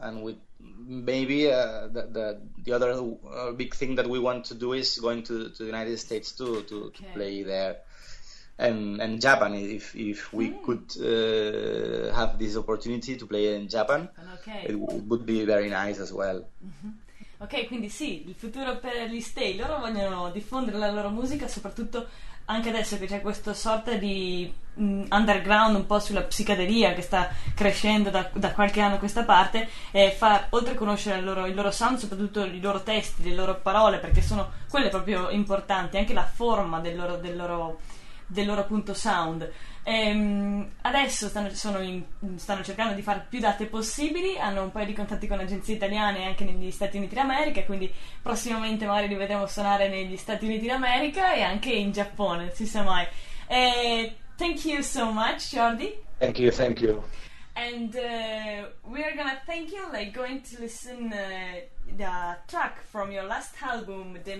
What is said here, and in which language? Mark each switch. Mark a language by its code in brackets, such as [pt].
[en] And we maybe the other big thing that we want to do is going to the United States to play there, and Japan, if we could have this opportunity to play in Japan, okay. It would be very nice as well. [it] Ok, quindi sì, il futuro per gli Stay, loro vogliono diffondere la loro musica, soprattutto anche adesso che c'è questa sorta di underground un po' sulla psichedelia che sta crescendo da qualche anno a questa parte, e far oltre conoscere il loro sound, soprattutto i loro testi, le loro parole, perché sono quelle proprio importanti, anche la forma del loro appunto sound. Adesso stanno cercando di fare più date possibili, hanno un paio di contatti con agenzie italiane anche negli Stati Uniti d'America, quindi prossimamente magari li vedremo suonare negli Stati Uniti d'America e anche in Giappone, si sa mai. [en] Thank you so much, Jordi. Thank you. And we are gonna thank you, like going to listen the track from your last album, The